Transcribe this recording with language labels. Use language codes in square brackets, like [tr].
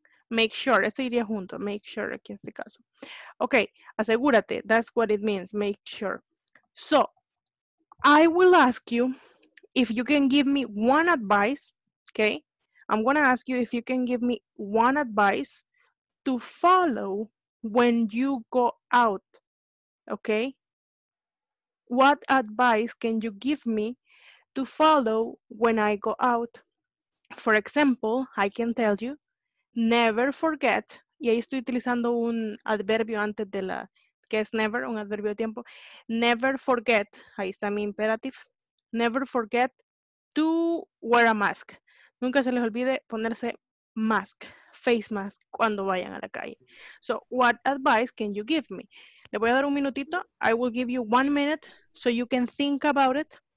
[en] Make sure, [es] eso iría junto, make sure aquí en este caso. [en] Okay, [es] asegúrate, [en] that's what it means, make sure. So, I will ask you if you can give me one advice. Okay, I'm going to ask you if you can give me one advice to follow when you go out, okay? What advice can you give me to follow when I go out? For example, I can tell you, never forget, [es] y ahí estoy utilizando un adverbio antes de la, que es never, un adverbio de tiempo, never forget, ahí está mi imperative, [en] never forget to wear a mask. [es] Nunca se les olvide ponerse mask, face mask, cuando vayan a la calle. [en] So, what advice can you give me? [es] Le voy a dar un minutito. [en] I will give you 1 minute so you can think about it.